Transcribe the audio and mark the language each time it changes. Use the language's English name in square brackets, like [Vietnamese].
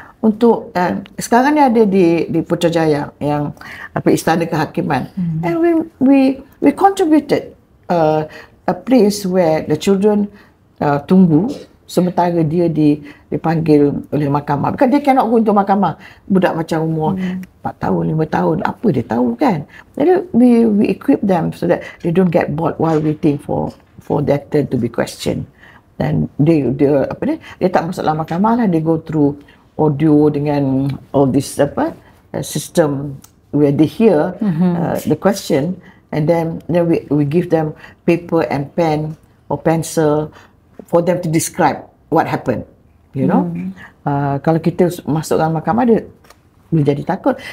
[Malay] Untuk sekarang ni ada di Putrajaya yang apa, Istana Kehakiman. [English] And we contributed a place where the children [Malay] tunggu sementara dia dipanggil oleh mahkamah. [English] Because they cannot go into mahkamah. [Malay] Budak macam umur 4 tahun, 5 tahun, apa dia tahu, kan? Jadi [English] we equip them so that they don't get bored while waiting for their turn to be questioned. And [Malay] dia tak masuk dalam mahkamah lah, [English] they go through audio [Malay] dengan [English] all this [Malay] apa [English] system where they hear the question, and then we give them paper and pen or pencil for them to describe what happened, you know. [Malay] Kalau kita masuk dalam mahkamah dia boleh jadi takut.